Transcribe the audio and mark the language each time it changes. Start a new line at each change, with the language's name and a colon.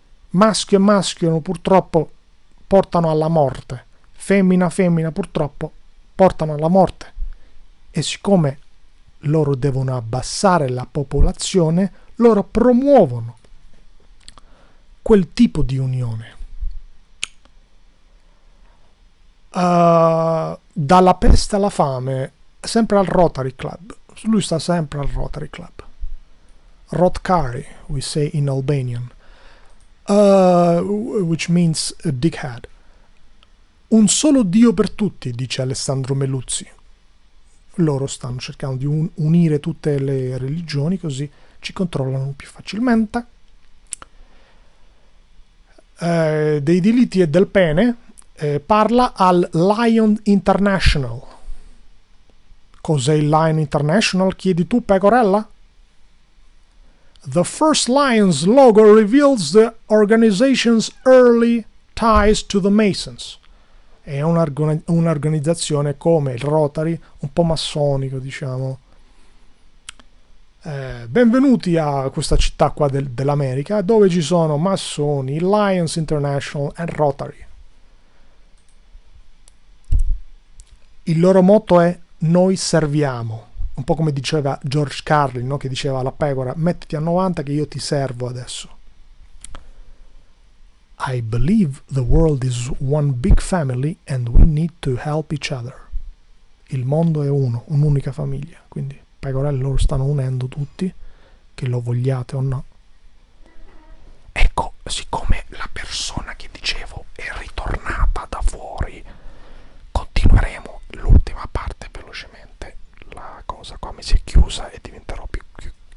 Italian: Maschio e maschio purtroppo portano alla morte, femmina e femmina purtroppo portano alla morte, e siccome loro devono abbassare la popolazione, loro promuovono quel tipo di unione. Dalla peste alla fame, sempre al Rotary Club. Lui sta sempre al Rotary Club.
English: Rotkari, we say in Albanian, which means a dickhead.
Italian: Un solo Dio per tutti, dice Alessandro Melluzzi. Loro stanno cercando di unire tutte le religioni, così ci controllano più facilmente. Dei diritti e del pene, parla al Lion International. Cos'è il Lion International, chiedi tu, pecorella?
English: The first Lion's logo reveals the organization's early ties to the Masons.
Italian: È un'organizzazione come il Rotary, un po' massonico, diciamo. Benvenuti a questa città qua dell'America, dove ci sono massoni, Lions International e Rotary. Il loro motto è "Noi serviamo". Un po' come diceva George Carlin, no? Che diceva alla pecora: mettiti a 90 che io ti servo adesso.
English: I believe the world is one big family and we need to help each other.
Italian: Il mondo è uno, un'unica famiglia. Quindi, pecorelle, loro stanno unendo tutti, che lo vogliate o no. Ecco, siccome la persona che dicevo è ritornata da fuori, continueremo l'ultima parte velocemente. La cosa qua mi si è chiusa e diventerò più, più,